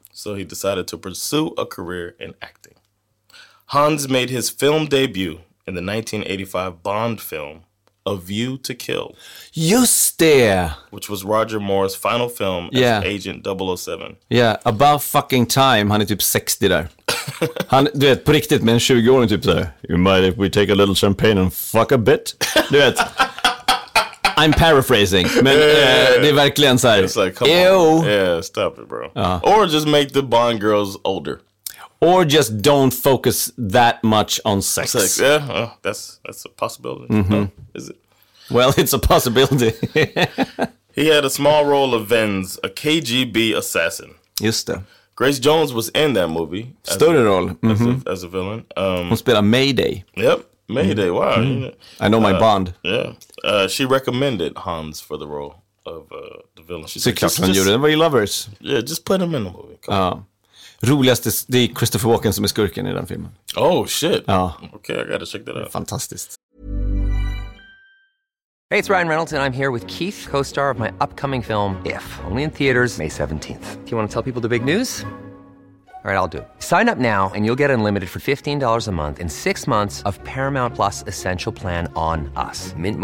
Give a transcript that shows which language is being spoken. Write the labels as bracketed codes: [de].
[en] So he decided to pursue a career in acting. Hans made his film debut in the 1985 Bond film, A View to Kill. [sv] Just det! [en] Which was Roger Moore's final film as Agent 007. Yeah, about fucking time. [sv] Han är typ 60 där. Han, du vet, på riktigt med en 20-åring typ där. [en] You mind if we take a little champagne and fuck a bit? [sv] Du vet. [en] I'm paraphrasing. [sv] Men det är verkligen så här. [en] It's like, come on. Yeah, stop it, bro. Or just make the Bond girls older. Or just don't focus that much on sex. Sex, yeah. That's a possibility. Mm-hmm. Is it? Well, it's a possibility. He had a small role of Venz, a KGB assassin. [sv] Just det. [en] Grace Jones was in that movie. [sv] Större roll. [en] Mm-hmm. As a villain. [sv] Hon spelar Mayday. [en] Yep, Mayday. Mm-hmm. Wow. Mm-hmm. I know my Bond. Yeah. She recommended Hans for the role of the villain. She said, just, you remember your lovers. Yeah, just put him in the movie. [sv] Roligaste, det är Christopher Walken som är skurken i den filmen. [en] Oh shit. [sv] Ja. [en] Okay, I gotta check that out. [sv] Fantastiskt. [en] Hey, it's Ryan Reynolds and I'm here with Keith, co-star of my upcoming film, If, only in theaters May 17th. Do you want to tell people the big news? All right, I'll do. Sign up now and you'll get unlimited for $15 a month and 6 months of Paramount Plus Essential Plan on us.